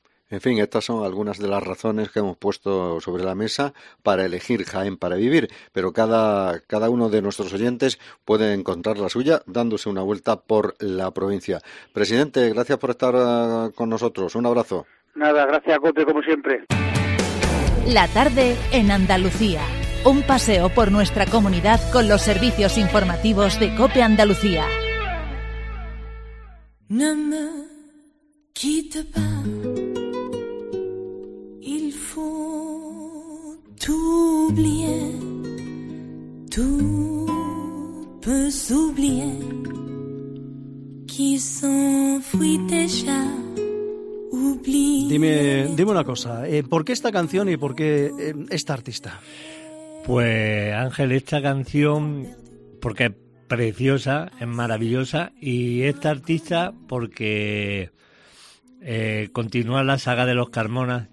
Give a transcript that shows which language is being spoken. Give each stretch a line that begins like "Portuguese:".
Spanish: En fin, estas son algunas de las razones que hemos puesto sobre la mesa para elegir Jaén para vivir, pero cada uno de nuestros oyentes puede encontrar la suya dándose una vuelta por la provincia. Presidente, gracias por estar con nosotros. Un abrazo. Nada, gracias, Cote, como siempre. La tarde en Andalucía. Un paseo por nuestra comunidad con los servicios informativos de COPE Andalucía.
French: quitte pas, il faut t'oublier, tout peut s'oublier, qui s'enfuit déjà.
Spanish: Dime una cosa, ¿por qué esta canción y por qué esta artista? Pues Ángel, esta canción porque es preciosa, es maravillosa, y esta artista porque continúa la saga de los Carmona.